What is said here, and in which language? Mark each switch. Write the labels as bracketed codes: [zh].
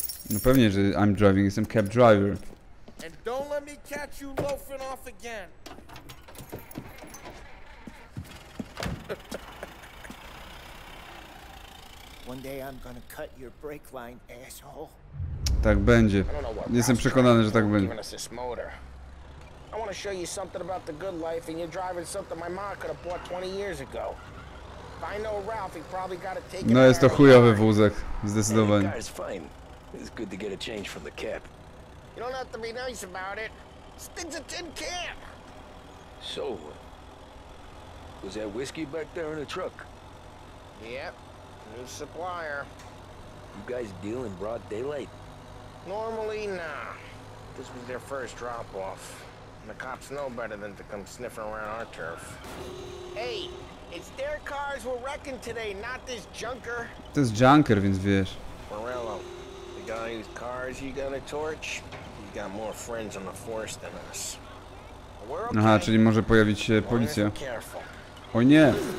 [pl] No pewnie, że [en] I'm driving, [pl] jestem cab driver. [en] And don't let me catch you loafing off again. One day I'm gonna cut your brake line, asshole. [pl] Tak będzie. Jestem przekonany, że tak będzie. [en] I want to show you something about the good life, and you're driving something my mom could have bought 20 years ago. If I know Ralph, he probably got to take. [pl] No, jest to chujowy wózek, zdecydowanie. [en] It's fine. It's good to get a change from the cap. You don't have to be nice about it. Stinks a tin can. So, was that whiskey back there in the truck? Yep, new supplier. You guys deal in broad daylight? Normally, nah. This was their first drop-off. And the cops know better than to come sniffing around our turf. Hey, it's their cars we're wrecking today, not this junker. [pl] To jest junker, więc wiesz. [en] Morello, the guy whose cars you gonna torch? Got more friends on the force than us. [pl] Aha, czyli może pojawić się policja. O nie.